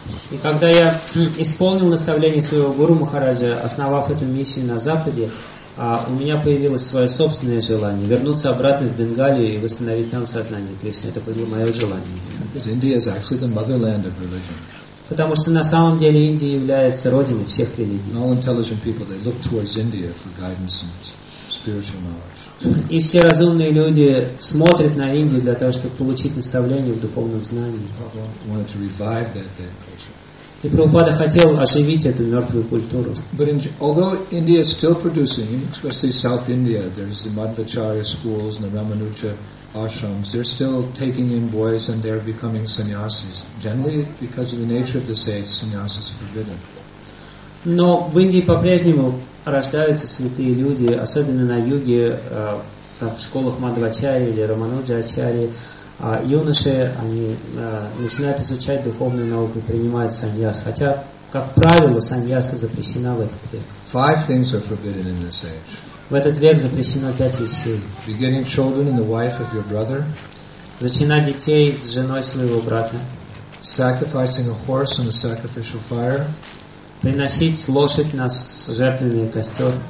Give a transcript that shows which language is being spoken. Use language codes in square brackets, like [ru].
[ru] И когда я исполнил наставление своего Гуру Махараджа, основав эту миссию на Западе, у меня появилось свое собственное желание вернуться обратно в Бенгалию и восстановить там сознание Кришны. Это было мое желание. [en] Because India is actually the motherland of religion. [ru] Потому что на самом деле Индия является родиной всех религий. [en] And all intelligent people, they look towards India for guidance and spiritual knowledge. [ru] И все разумные люди смотрят на Индию для того, чтобы получить наставление в духовном знании. [en] Prabhupada wanted to revive that dead culture. [ru] И Прабхупада хотел оживить эту мертвую культуру. [en] But although India is still producing, especially South India, there's the Madhvacharya schools and the Ramanuja ashrams, they're still taking in boys and they're becoming sannyasis. Generally, because of the nature of the state, sannyasis are forbidden. [ru] Но в Индии по-прежнему рождаются святые люди, особенно на юге, в школах Мадхвачари или Рамануджачари. Юноши, они начинают изучать духовную науку и принимают саньяс. Хотя, как правило, саньяса запрещена в этот век. [en] Five things are forbidden in this age. [ru] В этот век запрещено пять вещей. [en] Beginning children and the wife of your brother. [ru] Зачинать детей с женой своего брата. [en] Sacrificing a horse on a sacrificial fire. [ru] Приносить лошадь на жертвенный костер.